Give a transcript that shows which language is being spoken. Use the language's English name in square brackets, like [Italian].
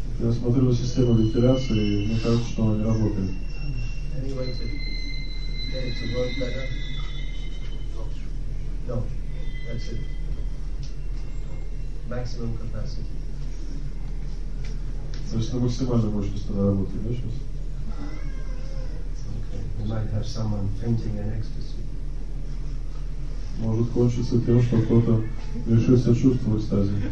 [Russian] Я смотрю на систему вентиляции, и мне кажется, что она не работает. [English] Any way to get it to work better? No. That's it. Maximum capacity. [Russian] То есть на максимальной мощности тогда работает, да, сейчас? [English] Okay. We might have someone fainting in ecstasy. [Russian] Может кончиться тем, что кто-то решил сочувствовать в экстазе.